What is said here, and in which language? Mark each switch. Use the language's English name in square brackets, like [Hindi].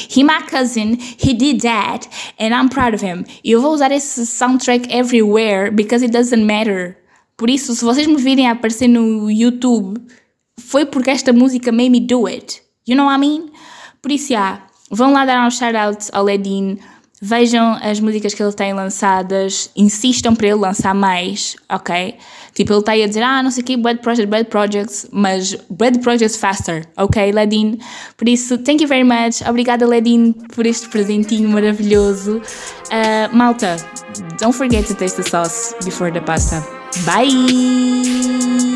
[English] He my cousin, he did that, and I'm proud of him. [Portuguese] E eu vou usar esse [English] soundtrack everywhere, because it doesn't matter. [Portuguese] Por isso, se vocês me virem aparecer no YouTube, foi porque esta música [English] made me do it. You know what I mean? [Portuguese] Por isso, yeah, vão lá dar um shout-out ao Ledin. Vejam as músicas que ele tem lançadas, insistam para ele lançar mais, ok? Tipo, ele está aí a dizer, ah, não sei o quê, bad projects, mas [English] bad projects faster, [Portuguese] ok, Ledin? Por isso, [English] thank you very much, [Portuguese] obrigada Ledin por este presentinho maravilhoso. [English] Malta, don't forget to taste the sauce before the pasta. Bye!